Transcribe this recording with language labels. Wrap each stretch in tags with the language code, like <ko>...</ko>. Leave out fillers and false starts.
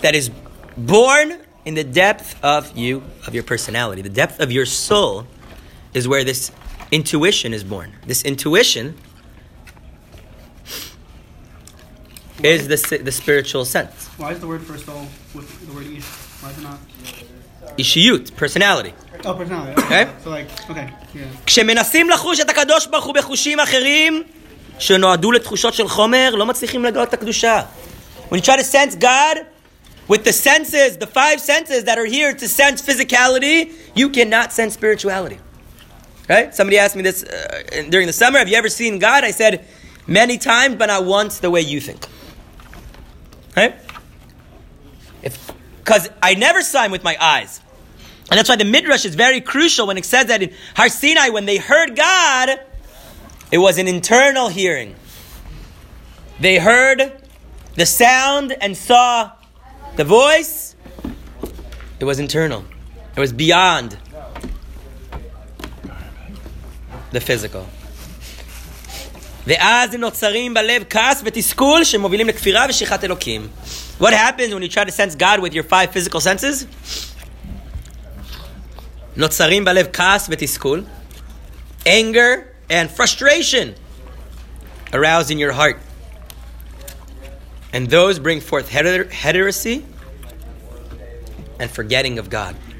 <en>That is born in the depth of you, of your personality. The depth of your soul is where this intuition is born. This intuition is the spiritual sense. Why is the word first soul with the word ish? Why is it not? Ishiyut, personality. Oh, personality. Okay. So okay.</en> <he>כשמנסים לחוש את הקדוש ברוך הוא בחושים אחרים שנועדו לתחושות של חומר, לא מצליחים לגלות את הקדושה.</he> <en>When you try to sense God with the senses, the five senses that are here to sense physicality, you cannot sense spirituality. Right? Somebody asked me this during the summer, have you ever seen God? I said, many times, but not once the way you think. Right? Because I never saw him with my eyes. And that's why the Midrash is very crucial when it says that in Har Sinai, when they heard God, it was an internal hearing. They heard the sound and saw the voice. It was internal. It was beyond the physical.</en> <he>ואז נוצרים בלב כעס ותסכול שמובילים לכפירה ושיחת אלוקים.</he> <en>What happens when you try to sense God with your five physical senses?</en> <he>נוצרים בלב כעס ותסכול.</he> <en>Anger and frustration aroused in your heart. And those bring forth heresy and forgetting of God.</en>